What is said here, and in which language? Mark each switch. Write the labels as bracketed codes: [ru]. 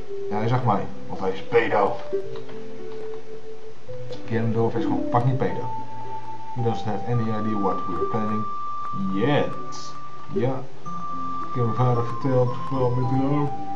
[nl] Ja, hij zag mij, want hij is pedo. Gandalf is gewoon fucking pedo. [en] He doesn't have any idea what we're planning yet. [nl] Ja. Ik heb mijn vader verteld van mijn droom.